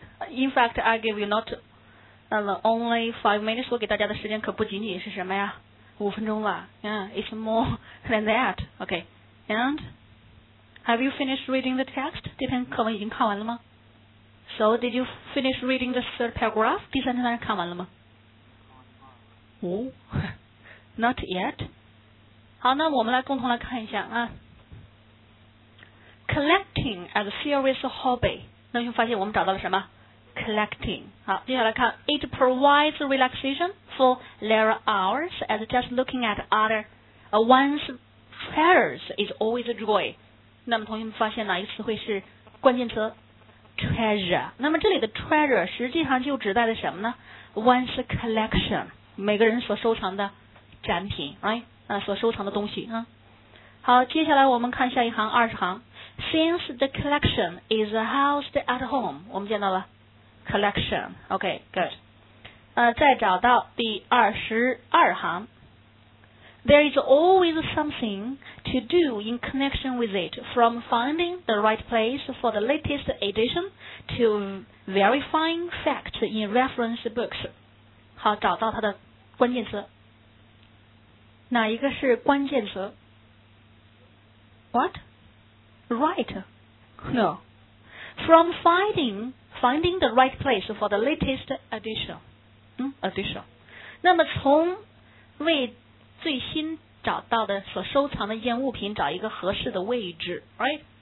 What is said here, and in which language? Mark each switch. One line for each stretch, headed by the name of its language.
English: In fact, I give you not only 5 minutes.
Chinese: 我给大家的时间可不仅仅是什么呀？五分钟了。
English: Yeah, it's more than that. Okay. And have you finished reading the text?
Chinese: 这篇课文已经看完了吗？
English: So did you finish reading the third paragraph?
Chinese: 第三段看完了吗？哦，
English: not yet.
Chinese: 好，那我们来共同来看一下啊。
English: Collecting as a serious hobby.
Chinese: 那就发现我们找到了什么？
English: Collecting.
Chinese: 好，接下来看
English: It provides relaxation for later hours as just looking at other one's treasures is always a joy.
Chinese: 那么同学们发现哪一个词汇是关键词？ Treasure. 那么这里的 treasure 实际上就指代的什么呢？
English: One's collection.
Chinese: 每个人所收藏的展品 right? 所收藏的东西、好，接下来我们看下一行二十行。
English: Since the collection is housed at home,
Chinese: 我们见到了
English: collection. Okay, good.
Chinese: 再找到第二十二行。
English: There is always something to do in connection with it, from finding the right place for the latest edition to verifying facts in reference books.
Chinese: 好，找到它的关键词。哪一个是关键词？
English: What? Right? No. From finding the right place for the latest edition. Edition.
Chinese: 那么从为最新找到的所收藏的一件物品找一个合适的位置 right?